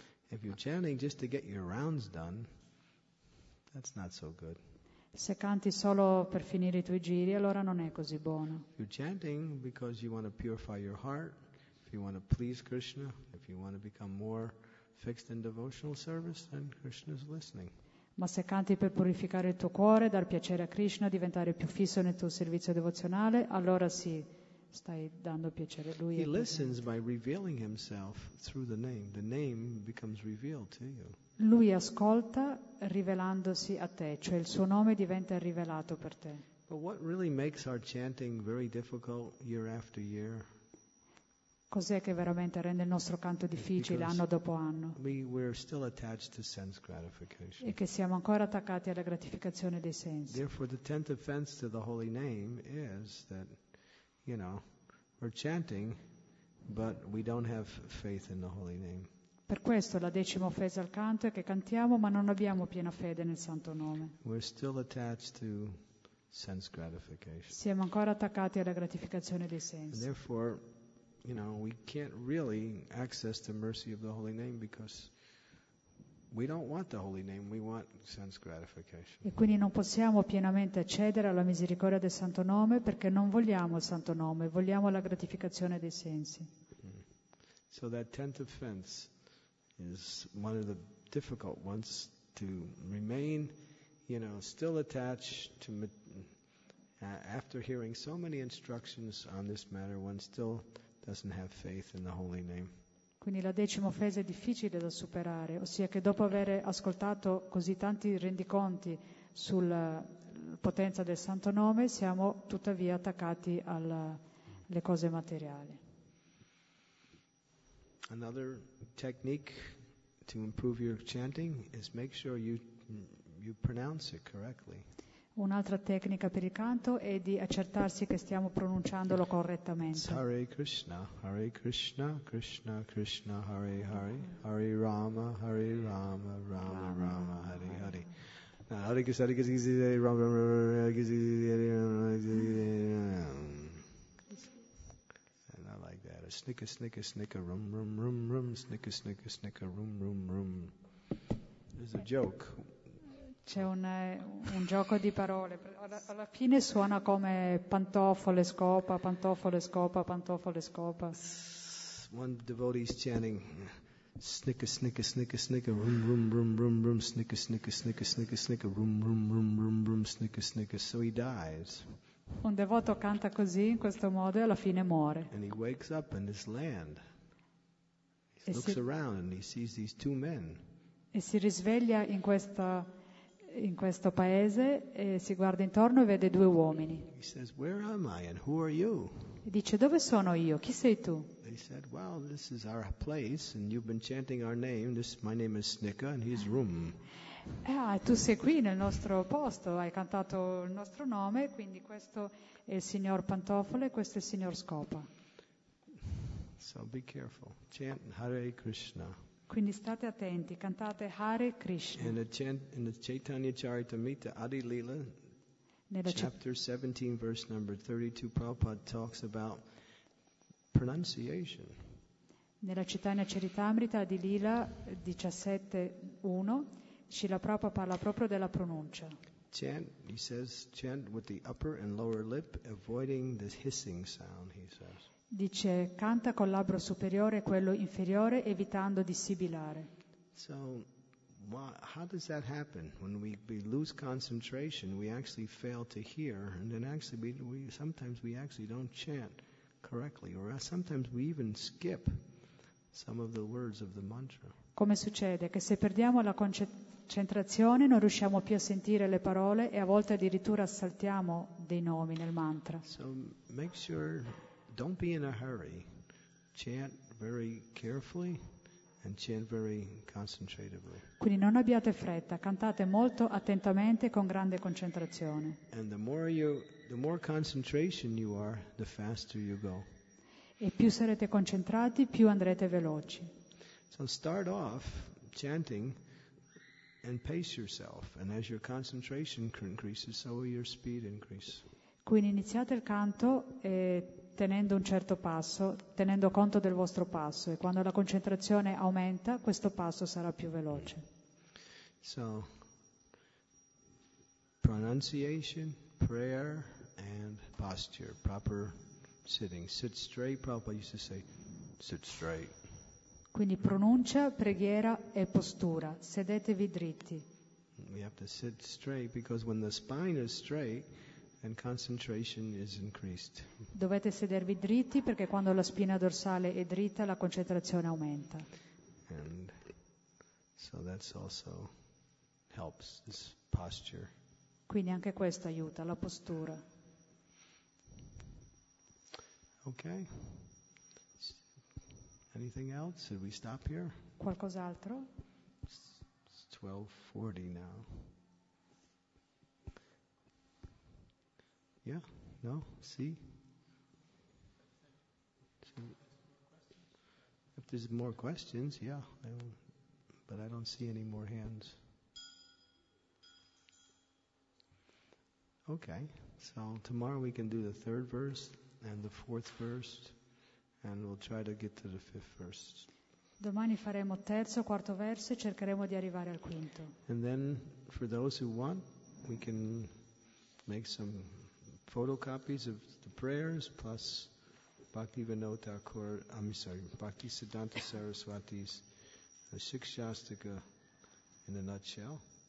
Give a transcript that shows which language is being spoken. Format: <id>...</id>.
<en>If you're chanting just to get your rounds done, that's not so good.</en> <it>Se canti solo per finire i tuoi giri, allora non è così buono.</it> <en>You're chanting because you want to purify your heart, if you want to please Krishna, if you want to become more fixed in devotional service, then Krishna is listening.</en> <it>Ma se canti per purificare il tuo cuore, dar piacere a Krishna, diventare più fisso nel tuo servizio devozionale, allora sì, stai dando piacere a lui.</it> <en>He listens by revealing himself through the name. The name becomes revealed to you.</en> <it>Lui ascolta rivelandosi a te, cioè il suo nome diventa rivelato per te.</it> <en>But what really makes our chanting very difficult year after year?</en> <it>Cos'è che veramente rende il nostro canto difficile anno dopo anno?</it> <en>We're still attached to sense gratification.</en> <it>E che siamo ancora attaccati alla gratificazione dei sensi.</it> <en>Therefore, the tenth offense to the holy name is that, you know, we're chanting, but we don't have faith in the holy name.</en> <it>Per questo la decima offesa al canto è che cantiamo, ma non abbiamo piena fede nel santo nome.</it> <en>We're still attached to sense gratification.</en> <it>Siamo ancora attaccati alla gratificazione dei sensi.</it> <en>And therefore, you know, we can't really access the mercy of the holy name because we don't want the holy name, we want sense gratification.</en> <it>E quindi non possiamo pienamente accedere alla misericordia del santo nome perché non vogliamo il santo nome, vogliamo la gratificazione dei sensi.</it> <en>So that tenth offense is one of the difficult ones to remain, you know, still attached to after hearing so many instructions on this matter, one still doesn't have faith in the holy name.</en> <it>Quindi la decima offesa è difficile da superare, ossia che dopo aver ascoltato così tanti rendiconti sulla potenza del santo nome, siamo tuttavia attaccati alle cose materiali.</it> <en>Another technique to improve your chanting is make sure you pronounce it correctly.</en> <it>Un'altra tecnica per il canto è di accertarsi che stiamo pronunciandolo correttamente.</it> <sa>Hare Krishna, Krishna Krishna, Hare Hare, Hare Rama, Hare Rama, Rama Rama, Hare Hare. Hare Krishna, Hare Krishna, Rama Rama, Hare Hare.</sa> <en>And I like that. Snicker, snicker, snicker, rum, rum, rum, rum, snicker, snicker, snicker, rum, rum, rum. There's a joke.</en> <it>C'è un gioco di parole. Alla fine suona come pantofole, scopa, pantofole, scopa, pantofole, scopa.</it> <en>One devotee is chanting snicker, snicker, snicker, snicker, rum, rum, rum, rum, rum, snicker, snicker, snicker, snicker, snicker, rum, rum, rum, rum, rum, snicker, snicker. So he dies.</en> <it>Un devoto canta così, in questo modo, e alla fine muore.</it> <en>And he wakes up in this land. He looks around and he sees these two men.</en> <it>E si risveglia in questo paese e si guarda intorno e vede due uomini.</it> <en>He says, "Where am I and who are you?"</en> <it>E dice, "Dove sono io? Chi sei tu?"</it> <en>They said, "Well, this is our place and you've been chanting our name. My name is Snicka and he's Rum."</en> <it>Ah, tu sei qui nel nostro posto, hai cantato il nostro nome, quindi questo è il signor Pantofole e questo è il signor Scopa.</it> <en>So be careful. Chant Hare Krishna.</en> <it>Quindi state attenti, cantate Hare Krishna.</it> <en>In the Chaitanya Charitamrita Adi Lila, chapter 17, verse number 32, Prabhupada talks about pronunciation.</en> <it>Nella Chaitanya Charitamrita Adi Lila 17:1, Srila Prabhupada parla proprio della pronuncia.</it> <en>Chant, he says, chant with the upper and lower lip, avoiding the hissing sound, he says.</en> <it>Dice, canta col labbro superiore e quello inferiore, evitando di sibilare.</it> <en>So, how does that happen? When we lose concentration, we actually fail to hear, and then actually we actually don't chant correctly, or sometimes we even skip some of the words of the mantra.</en> <it>Come succede? Che se perdiamo la concentrazione non riusciamo più a sentire le parole e a volte addirittura saltiamo dei nomi nel mantra.</it> <en>So, make sure... Don't be in a hurry. Chant very carefully and chant very concentratively.</en> <it>Quindi non abbiate fretta, cantate molto attentamente con grande concentrazione.</it> <en>And the more concentration you are, the faster you go.</en> <it>E più sarete concentrati, più andrete veloci.</it> <en>So start off chanting and pace yourself, and as your concentration increases, so will your speed increase.</en> <it>Quindi iniziate il canto e tenendo un certo passo, tenendo conto del vostro passo, e quando la concentrazione aumenta, questo passo sarà più veloce.</it> <en>So, pronunciation, prayer, and posture, proper sitting. Sit straight, Prabhupada used to say, sit straight.</en> <it>Quindi pronuncia, preghiera e postura, sedetevi dritti.</it> <en>We have to sit straight because when the spine is straight, and concentration is increased.</en> <it>Dovete sedervi dritti perché quando la spina dorsale è dritta la concentrazione aumenta.</it> <en>And so that's also helps this posture.</en> <it>Quindi anche questo aiuta la postura.</it> <en>Okay. Anything else? Should we stop here?</en> <it>Qualcos'altro?</it> <en>It's 12:40 now. Yeah, no, see? If there's more questions, yeah. But I don't see any more hands. Okay, so tomorrow we can do the third verse and the fourth verse, and we'll try to get to the fifth verse.</en> <it>Domani faremo terzo, quarto verso e cercheremo di arrivare al quinto.</it> <en>And then, for those who want, we can make some photocopies of the prayers plus Bhakti Vinod Thakur, Bhakti Siddhanta Saraswati's Shikshastika in a nutshell.</en>